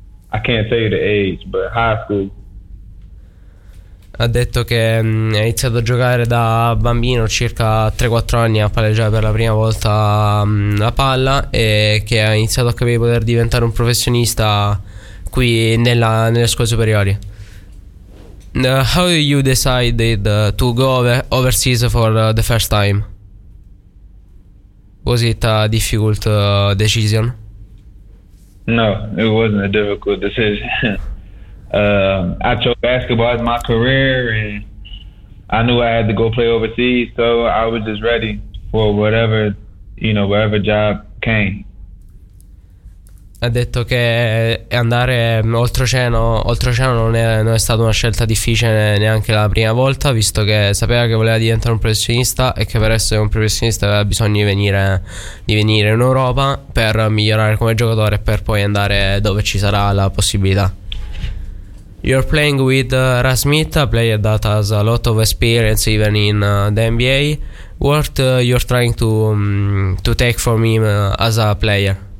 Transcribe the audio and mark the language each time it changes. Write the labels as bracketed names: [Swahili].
[English] I can't tell you the age, but high school. [Italian] Ha detto che ha iniziato a giocare da bambino, circa 3-4 anni, a palleggiare per la prima volta la palla, e che ha iniziato a capire di poter diventare un professionista qui nelle scuole superiori. [English] How you decided to go overseas for the first time? Was it a difficult decision? No, it wasn't a difficult decision. I chose basketball as my career, and I knew I had to go play overseas, so I was just ready for whatever, you know, whatever job came. [Italian] Ha detto che andare oltreoceano non è stata una scelta difficile neanche la prima volta, visto che sapeva che voleva diventare un professionista, e che per essere un professionista aveva bisogno di venire in Europa per migliorare come giocatore, per poi andare dove ci sarà la possibilità. [English] You're playing with Rasmit, a player that has a lot of experience even in the NBA. What you're trying to take from him as a player?